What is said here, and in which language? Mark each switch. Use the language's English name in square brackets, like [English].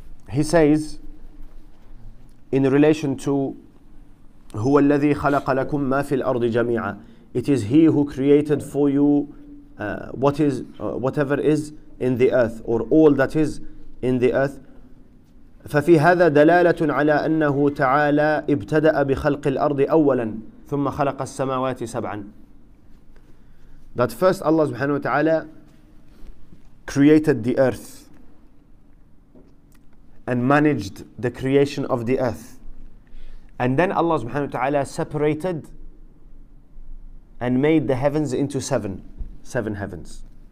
[English] He says, in relation to [Arabic] هو الذي خلق لكم ما في الأرض جميعا. [English] It is He who created for you whatever is in the earth, or all that is in the earth. [Arabic] ففي هذا دلالة على أنه تعالى ابتدأ بخلق الأرض أولا ثم خلق السماوات سبعا. [English] That first Allah subhanahu wa ta'ala created the earth and managed the creation of the earth. And then Allah subhanahu wa ta'ala separated and made the heavens into seven heavens.